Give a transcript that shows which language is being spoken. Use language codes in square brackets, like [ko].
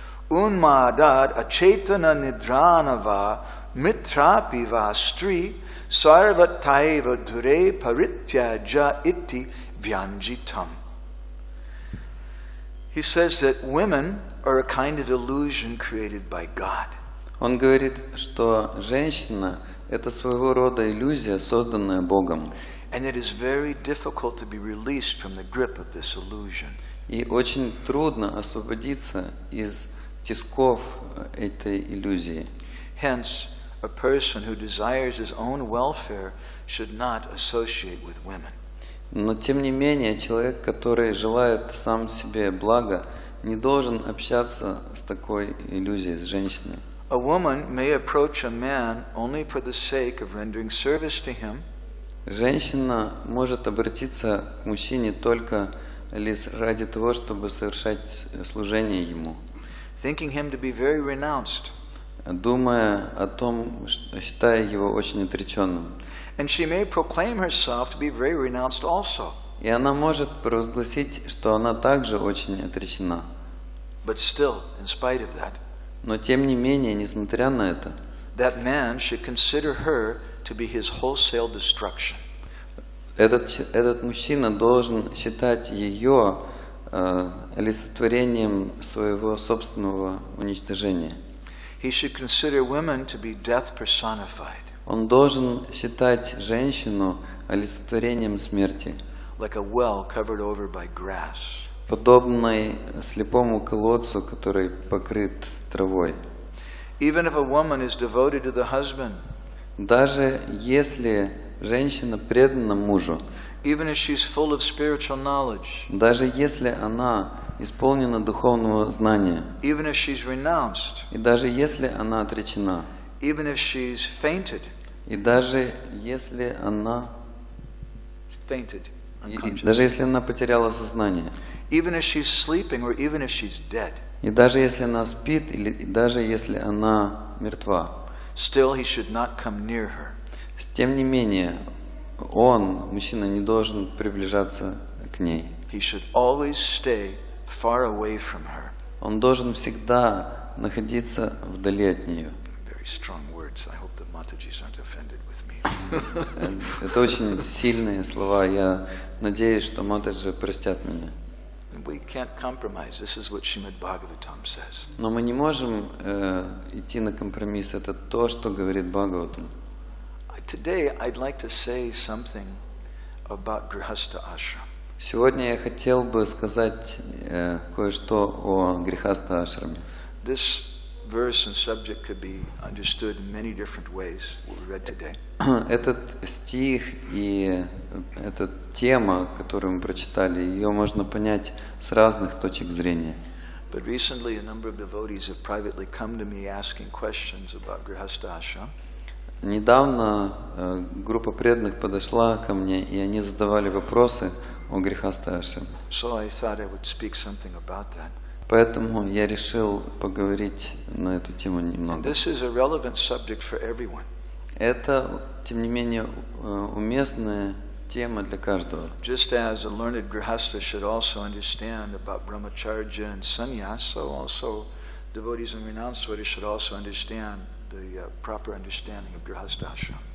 [sa] unmadad achetana nidrana va mitrapi va stri sarva taiva dure parityaja iti vyanjitam. [en] He says that women are a kind of illusion created by God. [ru] Он говорит, что женщина – это своего рода иллюзия, созданная Богом. [en] And it is very difficult to be released from the grip of this illusion. [ru] И очень трудно освободиться из тисков этой иллюзии. [en] Hence, a person who desires his own welfare should not associate with women. [ru] Но тем не менее, человек, который желает сам себе блага, не должен общаться с такой иллюзией, с женщиной. [en] A woman may approach a man only for the sake of rendering service to him. [ru] Женщина может обратиться к мужчине только лишь ради того, чтобы совершать служение ему. [en] Thinking him to be very renounced. [ru] Думая о том, считая его очень отреченным. [en] And she may proclaim herself to be very renounced also. [ru] И она может провозгласить, что она также очень отречена. [en] But still, in spite of that, [ru] но тем не менее, несмотря на это, [en] that man should consider her to be his wholesale destruction. [ru] Этот мужчина должен считать ее олицетворением своего собственного уничтожения. [en] He should consider women to be death personified. [ru] Он должен считать женщину олицетворением смерти, [en] like a well covered over by grass, [ru] подобной слепому колодцу, который покрыт травой. [en] Even if a woman is devoted to the husband, [ru] даже если женщина предана мужу, [en] even if she's full of spiritual knowledge, [ru] даже если она исполнена духовного знания, [en] even if she's renounced, [ru] и даже если она отречена, [en] even if she's fainted, [ru] и даже если она [en] fainted, [ru] даже если она потеряла сознание, [en] even if she's sleeping or even if she's dead, [ru] и даже если она спит или даже если она мертва, [en] still he should not come near her. [ru] Тем не менее, он, мужчина, не должен приближаться к ней. [en] He should always stay far away from her. [ru] Он должен всегда находиться вдали от нее. [en] Very strong words. I hope that Matajis aren't offended with me. [ru] Это очень сильные слова. Я надеюсь, что Матаджи простят меня. [en] We can't compromise. This is what Srimad Bhagavatam says. [ru] Но мы не можем идти на компромисс. Это то, что говорит Бхагаватам. [en] Today I'd like to say something about grihastha ashram. [ru] Сегодня я хотел бы сказать кое-что о грихастха ашраме. [en] This verse and subject could be understood in many different ways what we read today. [ru] Этот стих и эта тема, которую мы прочитали, ее можно понять с разных точек зрения. [en] But recently a number of devotees have privately come to me asking questions about Grihastha Ashram. [ru] Недавно группа преданных подошла ко мне, и они задавали вопросы о Грихастхе Ашраме. [en] So I thought I would speak something about that. [ru] Поэтому я решил поговорить на эту тему немного. [en] This is a relevant subject for everyone. [ru] Это, тем не менее, уместная тема для каждого. [en] Just as a learned grihastha should also understand about brahmacharya and sannyas, so also devotees and renunciates should also understand the proper understanding of grihastha ashram.